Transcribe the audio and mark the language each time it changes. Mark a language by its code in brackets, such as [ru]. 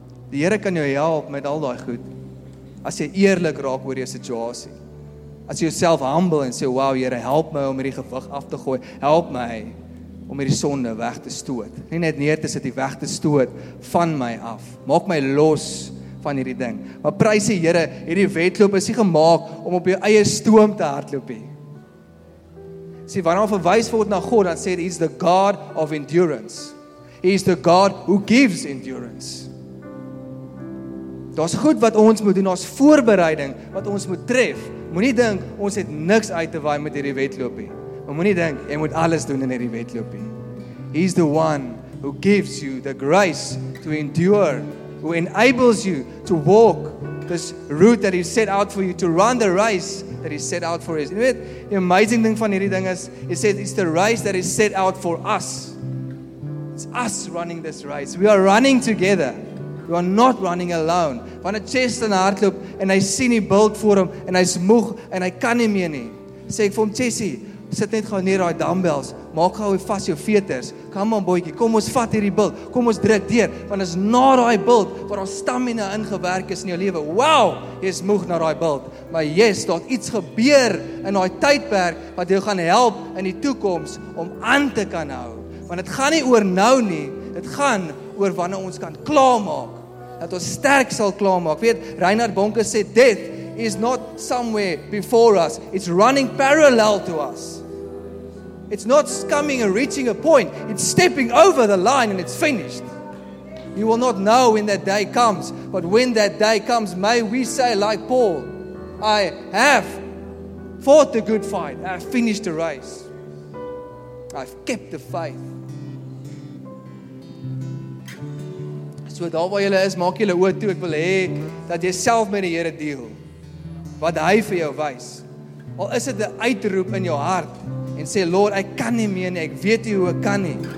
[af] Die Here kan jou help met al daai goed. As jy eerlik raak oor jou situasie. As jy jouself humble en sê, "Wow, Here, help my om hierdie gewig af te gooi. Help my om hierdie sonde weg te stoot." Nie net neer te sit, die weg te stoot van my af. Maak my los van hierdie ding. Maar prys die Here, hierdie wedloop is nie gemaak om op jou eie stoom te hardloop nie. Sien, wanneer verwys word na God, dan sê hy, [en] "He's the God of endurance. He is the God who gives endurance." [af] Daar's goed wat ons moet doen, daar's voorbereiding wat ons moet tref. Moenie dink ons het niks uit te waai met hierdie wedloop nie. Moenie dink jy moet alles doen in hierdie wedloop nie. [en] He is the one who gives you the grace to endure, who enables you to walk this route that he set out for you, to run the race that he set out for us. You know, the amazing thing [af] van hierdie ding [en] is, he said it's the race that is set out for us. It's us running this race. We are running together. We are not running alone. [af] Van 'n chest en hardloop en hy sien die beeld voor hom en hy's moeg en hy kan nie meer nie. Sê ek vir hom, "Chessie, sit net gou neer daai dumbbells. Maak gou vas jou veters. [en] Come on [af] boetjie, kom ons vat hierdie beeld. Kom ons druk deur want is na daai beeld wat ons stamina ingewerk is in jou lewe. Wow, jy's moeg na daai beeld. Maar yes, daar't iets gebeur in daai tydperk wat jou gaan help in die toekoms om aan te kan hou. Want dit gaan nie oor nou nie. Dit gaan oor wanneer ons kan klaarmaak, dat ons sterk sal klaarmaak. Weet, Reinhard Bonke sê, [en] "Death is not somewhere before us, it's running parallel to us. It's not coming and reaching a point, it's stepping over the line and it's finished. You will not know when that day comes, but when that day comes, may we say like Paul, 'I have fought the good fight, I have finished the race, I've kept the faith.'" [af] So daar waar julle is, maak julle oortoe. Ek wil hê dat jy self met die Here deel wat hy vir jou wys. Al is dit 'n uitroep in jou hart en sê, "Lord, ek kan nie meer nie. Ek weet nie hoe ek kan nie."